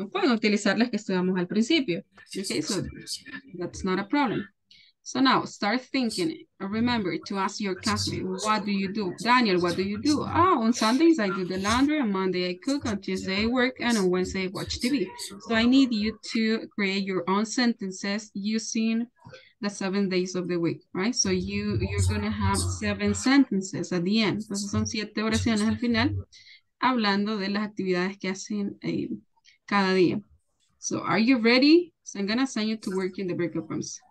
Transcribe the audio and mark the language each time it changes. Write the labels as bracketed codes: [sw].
[es] O pueden utilizar las que estudiamos al principio. [en] Okay, so that's not a problem. So now, start thinking. Remember to ask your classmate, what do you do? Daniel, what do you do? Oh, on Sundays, I do the laundry. On Monday, I cook. On Tuesday, I work. And on Wednesday, I watch TV. So I need you to create your own sentences using the 7 days of the week, right? So you're going to have 7 sentences at the end. [es] Entonces son 7 oraciones al final, hablando de las actividades que hacen cada día. [en] So are you ready? So I'm going to send you to work in the breakout rooms.